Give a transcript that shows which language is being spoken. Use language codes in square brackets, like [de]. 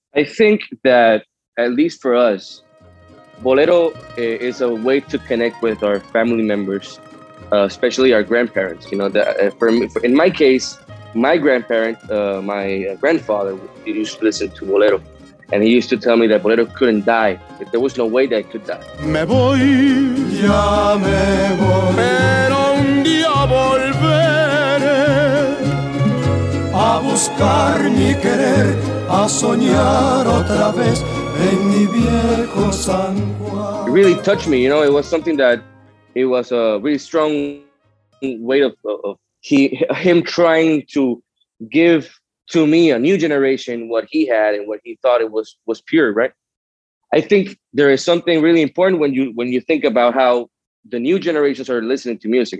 [en] I think that, at least for us, bolero is a way to connect with our family members. Especially our grandparents, you know, that in my case, my grandparent, my grandfather, he used to listen to bolero, and he used to tell me that bolero couldn't die, that there was no way that it could die. [es] Me voy, ya me voy, pero un día volveré a buscar mi querer, a soñar otra vez en mi viejo San Juan. [en] It really touched me, you know. It was something that it was a really strong way of him trying to give to me, a new generation, what he had and what he thought it was pure, right? I think there is something really important when you think about how the new generations are listening to music.